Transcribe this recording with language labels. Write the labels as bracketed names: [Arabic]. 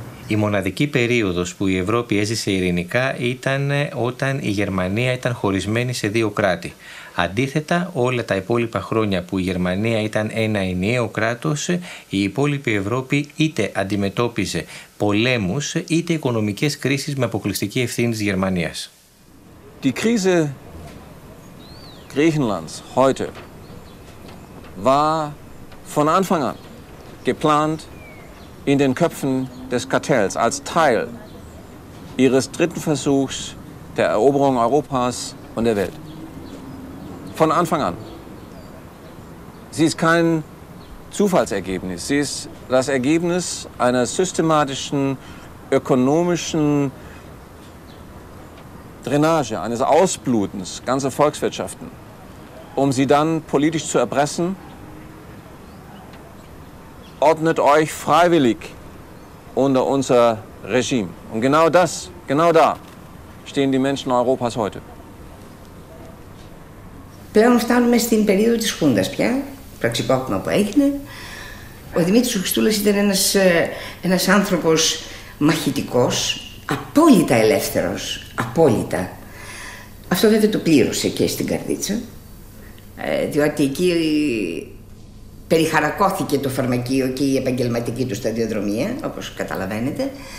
[Greek] Η μοναδική περίοδος που η Ευρώπη έζησε ειρηνικά ήταν όταν η Γερμανία ήταν χωρισμένη σε δύο κράτη. Αντίθετα, όλα τα υπόλοιπα χρόνια που η Γερμανία ήταν ένα ενιαίο κράτος, η υπόλοιπη Ευρώπη είτε αντιμετώπιζε πολέμους είτε οικονομικές κρίσεις με αποκλειστική ευθύνη της Γερμανίας. [German] Die Krise Griechenlands heute war von Anfang an geplant in den Köpfen des Kartells als Teil ihres dritten Versuchs der Eroberung Europas und der Welt. Von Anfang an. Sie ist kein Zufallsergebnis. Sie ist das Ergebnis einer systematischen ökonomischen Drainage, eines Ausblutens ganzer Volkswirtschaften, um sie dann politisch zu erpressen. Ordnet euch freiwillig unter unser Regime. Und genau das, genau da stehen die Menschen Europas heute. [Greek] Πλέον φτάνουμε στην περίοδο της Χούντας πια, πραξικόπημα που έγινε. Ο Δημήτρης Χριστούλας ήταν ένας άνθρωπος μαχητικός, απόλυτα ελεύθερος, απόλυτα. Αυτό βέβαια το πλήρωσε και στην Καρδίτσα, διότι εκεί περιχαρακώθηκε το φαρμακείο και η επαγγελματική του σταδιοδρομία, όπως καταλαβαίνετε.